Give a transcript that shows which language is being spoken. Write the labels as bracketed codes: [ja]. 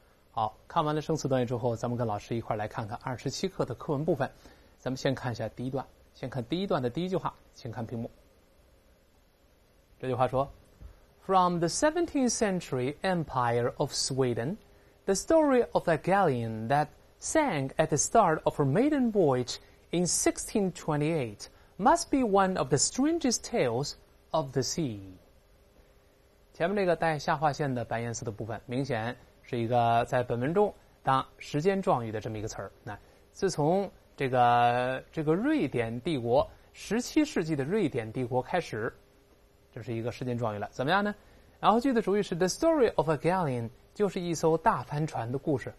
[zh] 好，看完了生词短语之后，咱们跟老师一块来看看27课的课文部分。咱们先看一下第一段，先看第一段的第一句话，请看屏幕。这句话说 [en] ：“From the 17th century Empire of Sweden, the story of a galleon that sank at the start of her maiden voyage in 1628 must be one of the strangest tales of the sea。” [zh] 前面这个带下划线的白颜色的部分，明显是一个在本文中当时间状语的这么一个词儿。那自从这个瑞典帝国17世纪的瑞典帝国开始，这是一个时间状语了。怎么样呢？然后句的主语是 [en] the story of a galleon， [zh] 就是一艘大帆船的故事。